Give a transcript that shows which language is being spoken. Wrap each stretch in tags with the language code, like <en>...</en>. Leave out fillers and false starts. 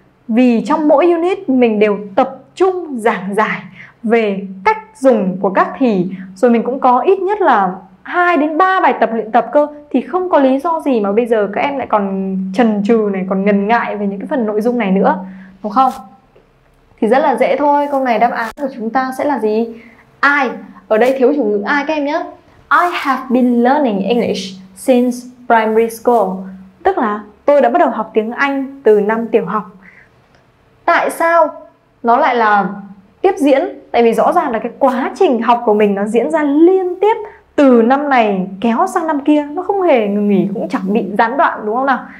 <vi>Vì trong mỗi unit mình đều tập trung giảng giải về cách dùng của các thì, rồi mình cũng có ít nhất là 2 đến 3 bài tập luyện tập cơ. Thì không có lý do gì mà bây giờ các em lại còn chần chừ này, còn ngần ngại về những cái phần nội dung này nữa, đúng không? Thì rất là dễ thôi. Câu này đáp án của chúng ta sẽ là gì? I, ở đây thiếu chủ ngữ I các em nhé.</vi> <en>I have been learning English since primary school.</en> <vi>Tức là tôi đã bắt đầu học tiếng Anh từ năm tiểu học. Tại sao nó lại là tiếp diễn? Tại vì rõ ràng là cái quá trình học của mình nó diễn ra liên tiếp từ năm này kéo sang năm kia, nó không hề ngừng nghỉ, cũng chẳng bị gián đoạn đúng không nào?</vi>